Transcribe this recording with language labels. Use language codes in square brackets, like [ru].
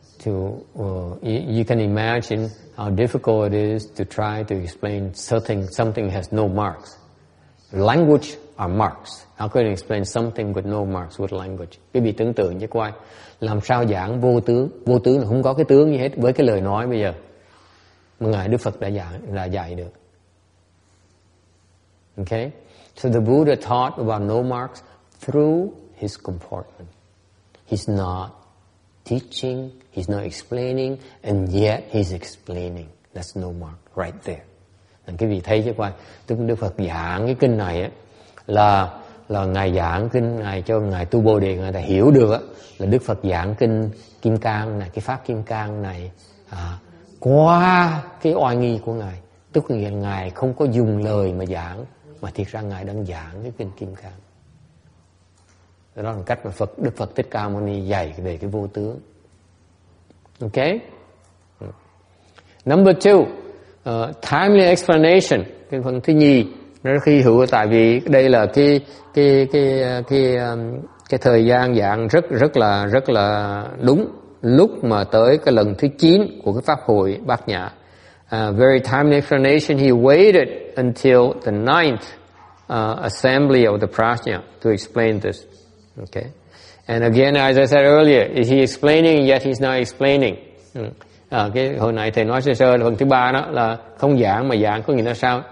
[en] I don't know how you can imagine how difficult it is to try to explain something has no marks. Language are marks. How can you explain something with no marks with language? [vi] Quý vị tưởng tượng như coi làm sao giảng vô tướng, vô tướng là không có cái tướng gì hết với cái lời nói bây giờ. Mà ngài Đức Phật đã dạy được. Okay? [en] So the Buddha taught about no marks through his comportment. He's not teaching, he's not explaining, and yet he's explaining. That's no mark right there. [vi] Nên quý vị thấy chứ coi, tức Đức Phật giảng cái kinh này á, là ngài giảng kinh này cho ngài Tu Bồ Đề, ngài ta hiểu được á, là Đức Phật giảng kinh Kim Cang này, cái pháp Kim Cang này qua cái oai nghi của ngài. Tức là ngài không có dùng lời mà giảng, mà thiệt ra ngài đang giảng cái kinh Kim Cang. Đó là cách mà Đức Phật Thích Ca Mâu Ni dạy về cái vô tướng. Okay. [en] Number two, timely explanation. [vi] Cái phần thứ nhì nó rất hy hữu tại vì đây là cái thời gian giảng rất là đúng lúc mà tới cái lần thứ 9 của cái pháp hội Bát Nhã. [en] Very timely explanation. He waited until the 9th assembly of the Prajna to explain this. Okay, and again, as I said earlier, is he explaining? Yet he's not explaining. [vi] Cái hồi nãy thầy nói sơ phần thứ ba đó là không giảng mà giảng, có nghĩa là sao?